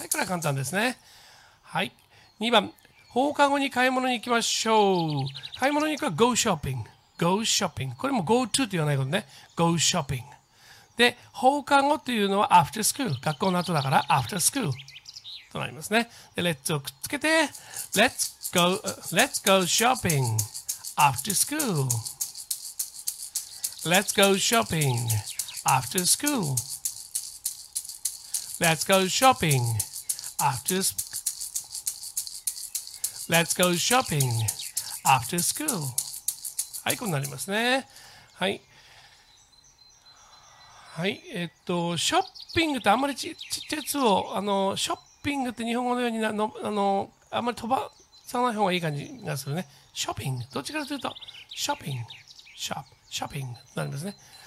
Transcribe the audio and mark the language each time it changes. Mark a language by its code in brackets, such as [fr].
[ja] はい、これは簡単ですね。はい。2番、放課後に買い物に行きましょう。買い物に行くは [en] go shopping。 go shopping。 [ja] これも [en] go to [ja] と言わないことね。 [en] go shopping。 [ja] で、放課後というのは [en] after school。 [ja] 学校の後だから after school。となりますね。 [en] で、Let's [ja] をくっつけて、 [en] Let's go shopping after school. Let's go shopping after school. Let's go shopping after school. Let's go shopping after school. [ja] はい、こうなりますね。はい。はい、ショッピングってあんまりちっちゃいやつを、ショッピングって日本語のようにあんまり飛ばさない方がいい感じがするね。ショッピング、どっちからするとショッピング、ショッピングとなりますね。